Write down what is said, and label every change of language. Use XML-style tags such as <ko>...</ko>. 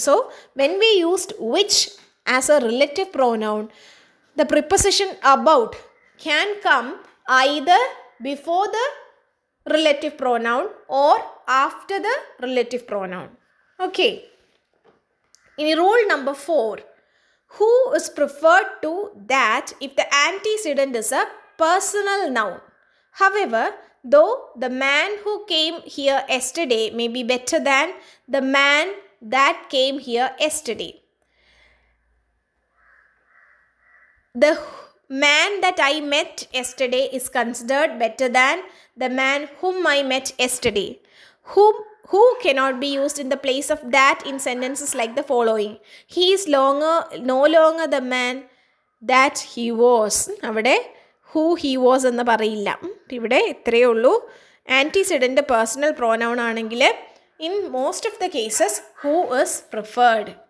<en>So when we used which as a relative pronoun, the preposition about can come either before the relative pronoun or after the relative pronoun.</en> <ml>Okay, ഇനി rule number 4.</ml> <en>Who is preferred to that if the antecedent is a personal noun? However, though the man who came here yesterday may be better than the man that came here yesterday. The man that I met yesterday is considered better than the man whom I met yesterday. Who cannot be used in the place of that in sentences like the following. He is no longer the man that he was.</en> <ml>അവിടെ</ml> <en>who he was</en> <ml>എന്ന് പറയില്ല. ഇവിടെ ഇത്രയേ ഉള്ളൂ.</ml> <en>antecedent personal pronoun</en> <ml>ആണെങ്കിൽ</ml> <en>In most of the cases who is preferred.</en>